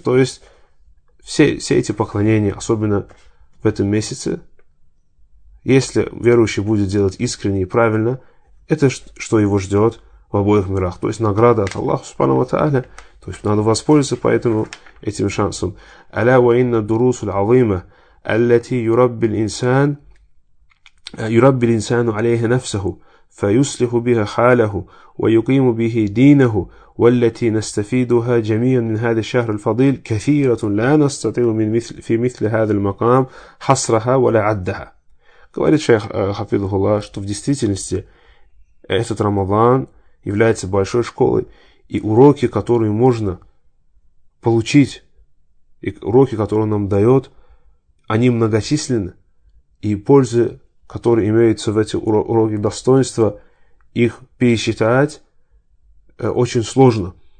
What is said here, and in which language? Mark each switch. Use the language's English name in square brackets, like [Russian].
[Russian] То есть все эти поклонения, особенно в этом месяце, если верующий будет делать искренне и правильно, это что его ждет в обоих мирах. То есть награда от Аллаха Субхану ва Тааля. То есть надо воспользоваться поэтому этим шансом. [Arabic] «Аля ва инна дурусу л'азима, аллати юрабби л'инсан». يربي الإنسان عليها نفسه فيصلح بها حاله ويقيم به دينه والتي نستفيدها جميعا من هذا الشهر الفضيل كثيرة لا نستطيع في مثل هذا المقام حصرها ولا عدها. [Russian] Говорит шейх хафизаху Аллах, что в действительности этот Рамадан является большой школой, и уроки, которые можно получить, и уроки, которые он нам дает, они многочисленны, и пользы, которые имеются в эти уроки достоинства, их пересчитать очень сложно.